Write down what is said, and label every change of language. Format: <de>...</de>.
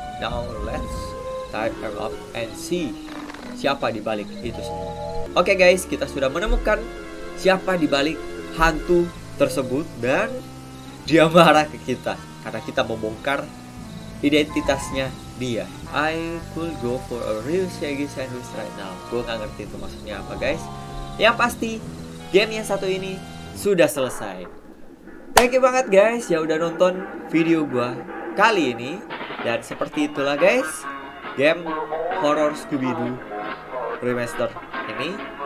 <en>Now let's type her up and see siapa di balik itu semua.</en> <id>Oke, guys, kita sudah menemukan siapa di balik hantu tersebut dan dia marah ke kita karena kita membongkar identitasnya dia.</id> <en>I could go for a real shaggy sandwich right now.</en> <id>Gue nggak ngerti itu maksudnya apa, guys. Yang pasti game yang satu ini sudah selesai. Thank you banget, guys, yang udah nonton video gue kali ini. Dan seperti itulah, guys, game horror Scooby-Doo Remaster ini.</id>